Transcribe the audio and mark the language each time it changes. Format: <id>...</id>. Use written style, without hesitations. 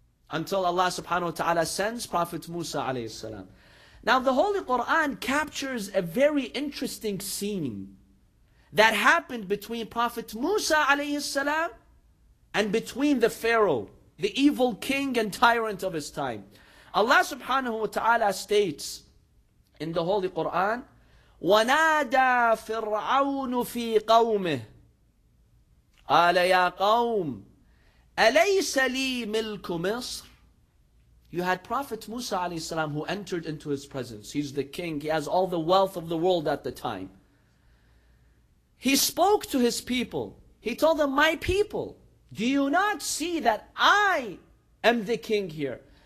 <en>Until Allah subhanahu wa ta'ala sends Prophet Musa alayhi salam. Now the Holy Quran captures a very interesting scene that happened between Prophet Musa alayhi salam and between the Pharaoh, the evil king and tyrant of his time. Allah subhanahu wa ta'ala states in the Holy Quran,</en> <ar>وَنَادَى فِرْعَوْنُ فِي قَوْمِهِ قَالَ يَا قَوْمِ أَلَيْسَ لِي مِلْكُ مِصْرِ.</ar> <en>You had Prophet Musa alayhi salam who entered into his presence. He's the king. He has all the wealth of the world at the time. He spoke to his people. He told them, my people, do you not see that I am the king here?</en>